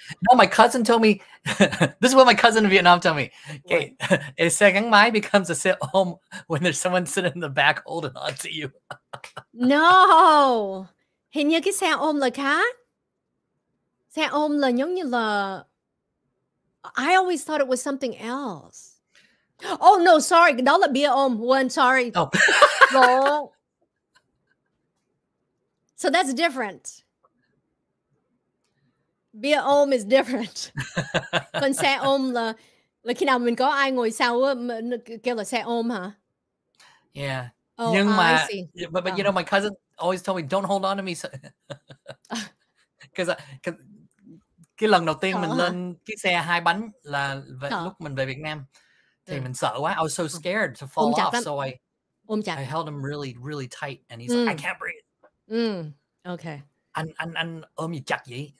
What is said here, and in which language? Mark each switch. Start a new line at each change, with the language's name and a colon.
English: No, my cousin told me, this is what my cousin in Vietnam told me. Okay, a xe gắn máy becomes a xe ôm when there's someone sitting in the back holding on to you. No.
Vietnamese: Hình như cái xe ôm là khác. Xe ôm là giống như là...
English: I always thought it was something else. Oh, no, sorry.
Vietnamese: Đó là bia ôm.
English: One, sorry. Oh. So that's different. Bia ôm is different.
Vietnamese: Còn xe ôm là khi nào mình có ai ngồi sau kêu là xe ôm hả?
English: Yeah.
Vietnamese: Oh, nhưng mà,
English: I see. But you know, my cousin always told me, don't hold on to me.
Vietnamese: Because cái lần đầu tiên mình lên cái xe hai bánh là lúc mình về Việt Nam. Thì mình sợ quá.
English: I was so scared to fall off. So I held him really, really tight. And he's like, I can't breathe. Mm, okay.
Vietnamese: Anh ôm gì chặt vậy?